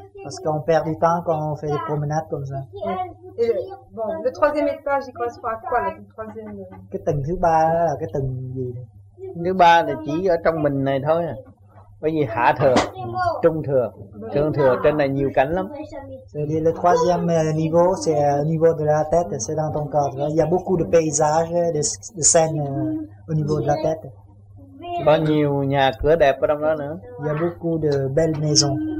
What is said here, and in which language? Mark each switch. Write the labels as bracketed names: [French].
[French] Parce qu'on perd du temps quand on fait des promenades comme ça. Et, bon, le troisième étage, il correspond à quoi, là le troisième? [Vietnamese] Cái tầng thứ ba đó là cái tầng gì? Thứ ba là chỉ ở trong mình này thôi à. Bởi vì hạ thừa, trung thừa, thượng thừa, trên này nhiều cảnh lắm. [French] Le troisième niveau, c'est le niveau de la tête, c'est dans ton corps. Il y a beaucoup de paysages, de scènes au niveau de la tête. [Vietnamese] Có nhiều nhà cửa đẹp ở trong đó nữa. [French] Il y a beaucoup de belles maisons.